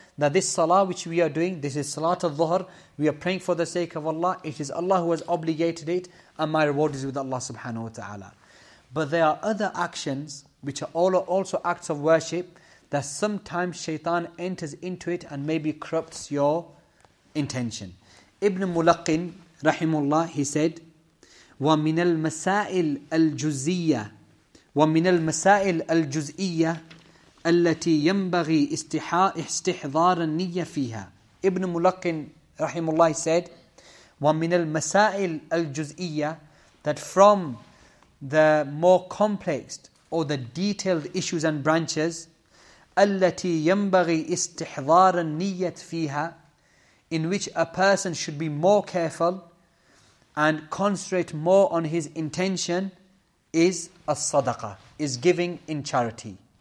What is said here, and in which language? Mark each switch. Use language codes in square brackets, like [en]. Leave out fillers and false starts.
[en] that this salah which we are doing, this is salat al-dhuhr, we are praying for the sake of Allah, it is Allah who has obligated it, and my reward is with Allah subhanahu wa ta'ala. But there are other actions, which are also acts of worship, that sometimes shaitan enters into it and maybe corrupts your intention. Ibn Mulaqin, rahimullah, he said, [ar] وَمِنَ الْمَسَائِلِ الْجُزِيَّةِ وَمِنَ الْمَسَائِلِ الْجُزْئِيَّةِ الَّتِي يَنْبَغِي اِسْتِحْضَارَ النِّيَّةِ فِيهَا. [en] Ibn Mulaqin, rahimullah, said, [ar] وَمِنَ الْمَسَائِلِ الْجُزْئِيَّةِ, [en] that from the more complex or the detailed issues and branches, [ar] الَّتِي يَنْبَغِي اِسْتِحْضَارَ النِّيَّةِ فِيهَا, [en] in which a person should be more careful and concentrate more on his intention, is as-sadaqah, is giving in charity.